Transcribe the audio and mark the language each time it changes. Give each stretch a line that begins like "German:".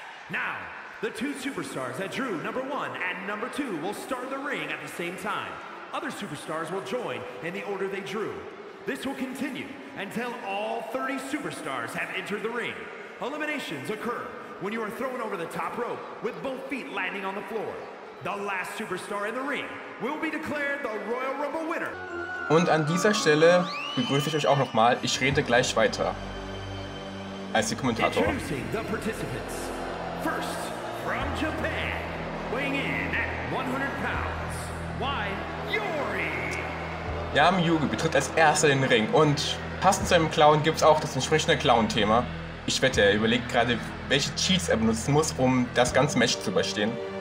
English: Now, the two superstars that drew number one and number two will start the ring at the same time. Other superstars will join in the order they drew. This will continue until all 30 superstars have entered the ring. Eliminations occur when you are thrown over the top rope with both feet landing on the floor. The last superstar in the ring will be declared the Royal Rumble winner.
German: Und an dieser Stelle begrüße ich euch auch nochmal. Ich rede gleich weiter als die Kommentator.
English: Introducing the participants. First, from Japan, weighing in at 100 pounds, Yami.
German: Yami Yugi betritt als erster den Ring und passend zu einem Clown gibt es auch das entsprechende Clown-Thema. Ich wette, er überlegt gerade, welche Cheats er benutzen muss, um das ganze Match zu überstehen.